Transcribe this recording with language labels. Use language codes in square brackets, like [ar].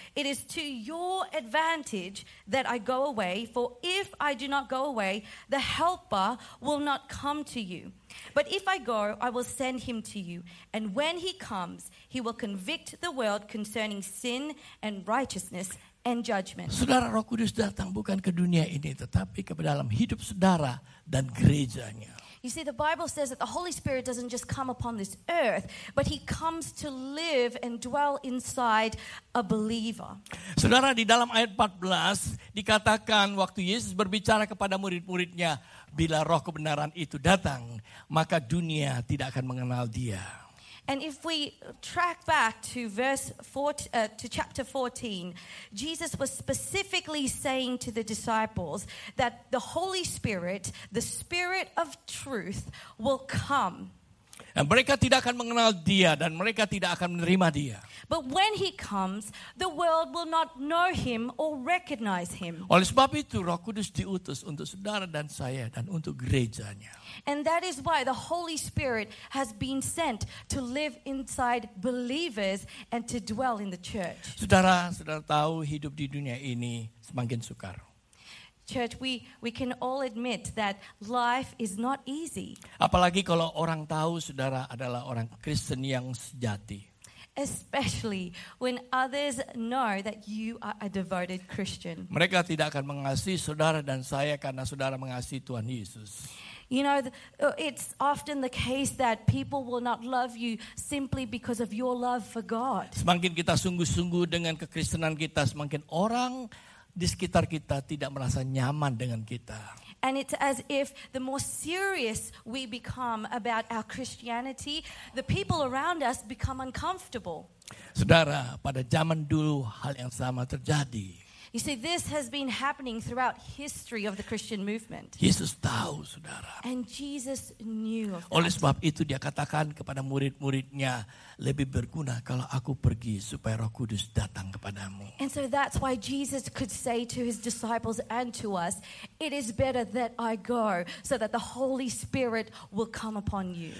[en] It is to your advantage that I go away, for if I do not go away, the Helper will not come to you. But if I go, I will send him to you. And when he comes, he will convict the world concerning sin and righteousness and judgment." [id] Saudara, Roh Kudus datang bukan ke dunia ini, tetapi ke dalam hidup saudara dan gerejanya. [en] You see, the Bible says that the Holy Spirit doesn't just come upon this earth, but he comes to live and dwell inside a believer. [id] Saudara, di dalam ayat 14 dikatakan waktu Yesus berbicara kepada murid-muridnya, "Bila Roh kebenaran itu datang, maka dunia tidak akan mengenal dia." [en] And if we track back to chapter 14, Jesus was specifically saying to the disciples that the Holy Spirit, the Spirit of truth, will come. [id] Dan mereka tidak akan mengenal dia dan mereka tidak akan menerima dia. [en] But when he comes, the world will not know him or recognize him. [id] Oleh sebab itu, Roh Kudus diutus untuk saudara dan saya dan untuk gerejanya. [en] And that is why the Holy Spirit has been sent to live inside believers and to dwell in the church. [id] Saudara, saudara tahu hidup di dunia ini semakin sukar. [en] Church, we can all admit that life is not easy. [id] Apalagi kalau orang tahu saudara adalah orang Kristen yang sejati. [en] Especially when others know that you are a devoted Christian. [id] Mereka tidak akan mengasihi saudara dan saya karena saudara mengasihi Tuhan Yesus. [en] You know, it's often the case that people will not love you simply because of your love for God. [id] Semakin kita sungguh-sungguh dengan kekristenan kita, semakin orang di sekitar kita tidak merasa nyaman dengan kita. [en] And it's as if the more serious we become about our Christianity, the people around us become uncomfortable. [id] Saudara, pada zaman dulu hal yang sama terjadi. [en] You see, this has been happening throughout history of the Christian movement. [id] Yesus tahu, saudara. [en] And Jesus knew of that. [id] Oleh sebab itu dia katakan kepada murid-muridnya, "Lebih berguna kalau aku pergi supaya Roh Kudus datang kepadamu." [en] And so that's why Jesus could say to his disciples and to us, "It is better that I go so that the Holy Spirit will come upon you."